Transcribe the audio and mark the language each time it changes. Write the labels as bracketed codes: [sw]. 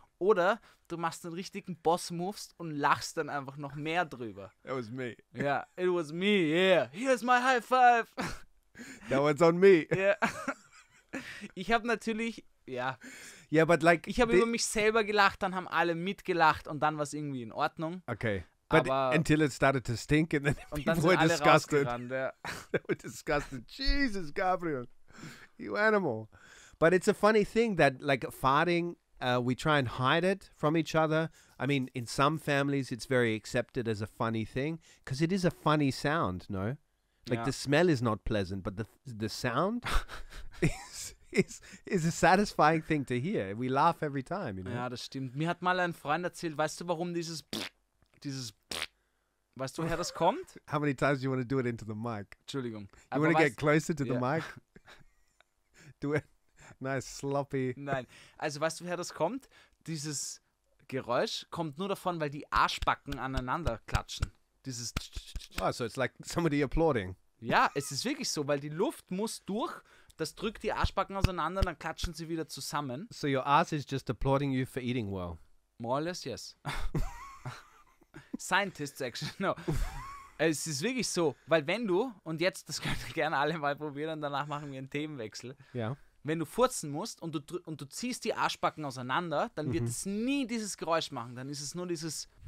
[de] Oder du machst einen richtigen Boss-Moves und lachst dann einfach noch mehr drüber. [en] It was me. Yeah, it was me, yeah. Here's my high five. That one's on me. [de] Yeah. Ich habe natürlich, ja. [en] Yeah, but like. [de] Ich habe über mich selber gelacht, dann haben alle mitgelacht und dann war es irgendwie in Ordnung. [en] Okay. But until it started to stink and then people [de] dann [en] were disgusted. Yeah. They were disgusted. Jesus, Gabriel. You animal. But it's a funny thing that like farting, we try and hide it from each other. I mean, in some families, it's very accepted as a funny thing because it is a funny sound, no? Like, yeah, the smell is not pleasant, but the sound is a satisfying thing to hear. We laugh every time, you know? [de] Ja, das stimmt. Mir hat mal ein Freund erzählt, weißt du, warum dieses Weißt du, woher das kommt? [en] How many times do you want to do it into the mic? [de] Entschuldigung. [en] You want to get closer to the mic? Do it. Nice, sloppy. [de] Nein. Also, weißt du, woher das kommt? Dieses Geräusch kommt nur davon, weil die Arschbacken aneinander klatschen. Dieses... [en] Oh, so it's like somebody applauding. [de] Ja, es ist wirklich so, weil die Luft muss durch, das drückt die Arschbacken auseinander, dann klatschen sie wieder zusammen. [en] So your ass is just applauding you for eating well. More or less, yes. Scientists actually, no. [de] Es ist wirklich so, weil wenn du, und jetzt, das könnt ihr gerne alle mal probieren, danach machen wir einen Themenwechsel. Ja. Yeah. Wenn du furzen musst und du ziehst die Arschbacken auseinander, dann wird es nie dieses Geräusch machen, dann ist es nur dieses...